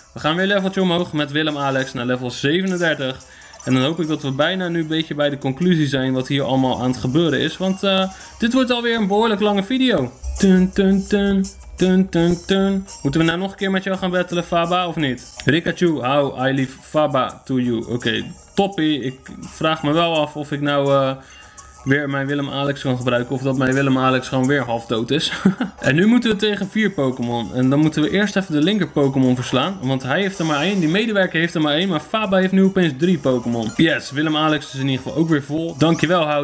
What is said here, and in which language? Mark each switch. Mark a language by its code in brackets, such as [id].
[nl] We gaan weer leveltje omhoog met Willem Alex naar level 37. En dan hoop ik dat we bijna nu een beetje bij de conclusie zijn wat hier allemaal aan het gebeuren is. Want dit wordt alweer een behoorlijk lange video. Tun tun tun, tun tun tun. Moeten we nou nog een keer met jou gaan battelen, Faba, of niet? [en] Rikachu, how I leave Faba to you. [nl] Oké, toppie. Ik vraag me wel af of ik nou weer mijn Willem Alex kan gebruiken. Of dat mijn Willem Alex gewoon weer half dood is. En nu moeten we tegen 4 Pokémon. En dan moeten we eerst even de linker Pokémon verslaan. Want hij heeft er maar 1. Die medewerker heeft er maar 1. Maar Faba heeft nu opeens 3 Pokémon. Yes, Willem Alex is in ieder geval ook weer vol. Dankjewel, Hou.